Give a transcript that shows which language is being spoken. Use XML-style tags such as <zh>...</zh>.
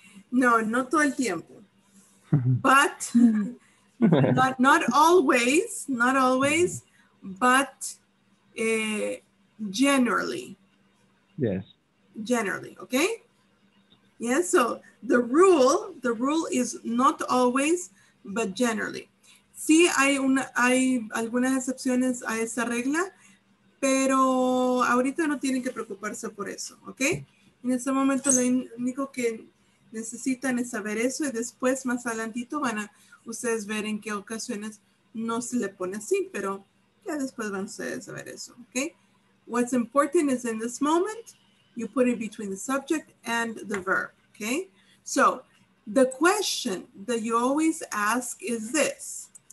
<es>No, no todo el tiempo.</es> <en>But not always, not always, but generally. Yes. Generally, okay? Yeah, so the rule is not always, but generally.</en> <es>Sí, hay algunas excepciones a esa regla, pero ahorita no tienen que preocuparse por eso, ¿ok? En este momento lo único que necesitan es saber eso y después más adelantito van a ustedes ver en qué ocasiones no se le pone así, pero ya después van ustedes a saber eso, ¿ok?</es> <en>What's important is in this moment, you put it between the subject and the verb, okay? So the question that you always ask is this.</en>